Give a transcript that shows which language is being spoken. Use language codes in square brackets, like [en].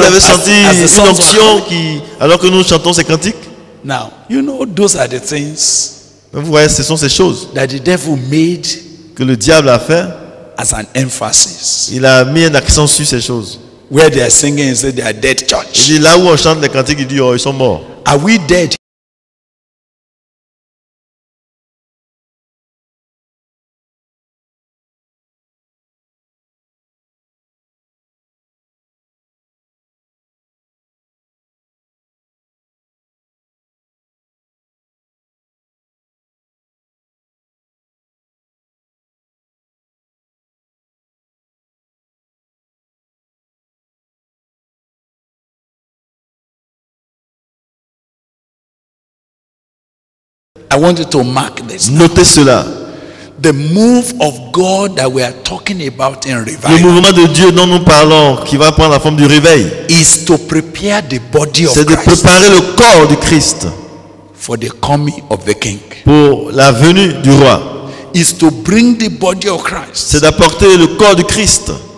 [fr] Vous avez senti une onction qui, alors que nous chantons ces cantiques? [en] Now, you know those are the things. [fr] Vous voyez, ce sont ces choses [en] that the devil made, [fr] que le diable a fait. [en] As an emphasis. [fr] Il a mis un accent sur ces choses. [en] Where they are singing, say they are dead church. [fr] Il dit là où on chante les cantiques, il dit oh, ils sont morts. [en] Are we dead? I want you to mark this. [fr] Notez cela. [en] The move of God that we are talking about in revival. [fr] Le mouvement de Dieu dont nous parlons, qui va prendre la forme du réveil, [en] is to prepare the body of Christ. [fr] C'est de préparer le corps du Christ. [en] For the coming of the King. [fr] Pour la venue du roi. [en] Is to bring the body of Christ. [fr] C'est d'apporter le corps du Christ.